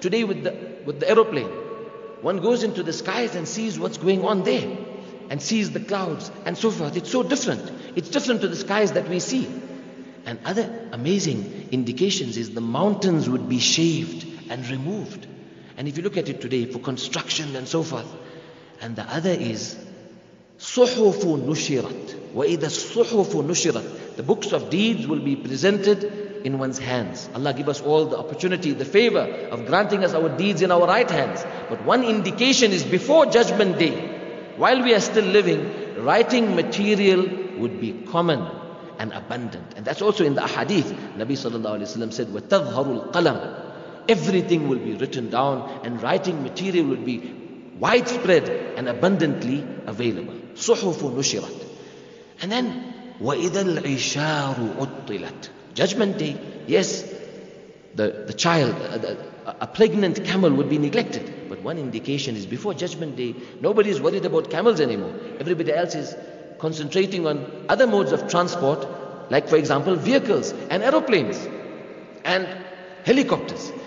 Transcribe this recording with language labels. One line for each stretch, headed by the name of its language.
English: Today with the aeroplane, one goes into the skies and sees what's going on there. And sees the clouds and so forth. It's so different. It's different to the skies that we see. And other amazing indications is the mountains would be shaved and removed. And if you look at it today for construction and so forth. And the other is,
Arabic: صحف نشرت. وإذا الصحف نشرت,
English: The books of deeds will be presented in one's hands. Allah give us all the opportunity, the favor of granting us our deeds in our right hands. But one indication is before judgment day, while we are still living, writing material would be common and abundant. And that's also in the ahadith. Nabi sallallahu alayhi wa sallam said,
Arabic: وَتَظْهَرُ الْقَلَمُ.
English: Everything will be written down and writing material will be widespread and abundantly available.
Arabic: صُحُفُ نُشِرَتْ.
English: And then,
Arabic: وَإِذَا الْعِشَارُ عُطِّلَتْ.
English: Judgment day, yes, a pregnant camel would be neglected. But one indication is before judgment day, nobody is worried about camels anymore. Everybody else is concentrating on other modes of transport, like for example, vehicles and aeroplanes and helicopters.